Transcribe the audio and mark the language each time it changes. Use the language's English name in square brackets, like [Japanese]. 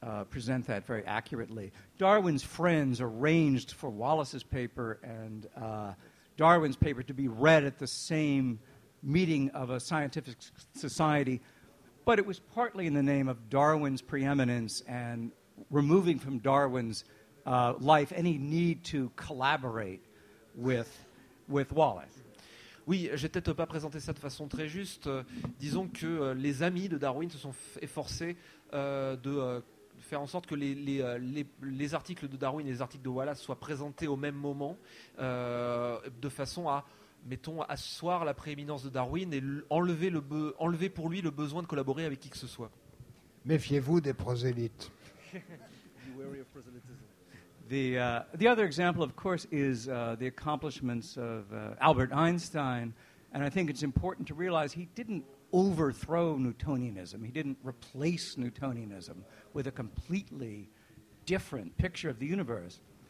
[English] Present that very accurately. Darwin's friends arranged for Wallace's paper and Darwin's paper to be read at the same meeting of a scientific society, but it was partly in the name of Darwin's preeminence and removing from Darwin's life any need to collaborate with Wallace. [French] Oui, j'ai peut-être pas présenté ça de façon très juste. Disons que les amis de Darwin se sont efforcés faire en sorte que les articles de Darwin et les articles de Wallace soient présentés au même moment de façon à, mettons, asseoir la prééminence de Darwin et enlever pour lui le besoin de collaborer avec qui que ce soit. Méfiez-vous des prosélytes. [English] The other example, of course, is the accomplishments of Albert Einstein. And I think it's important to realize he didn't overthrow Newtonianism. He didn't replace Newtonianism with a completely different picture of the universe.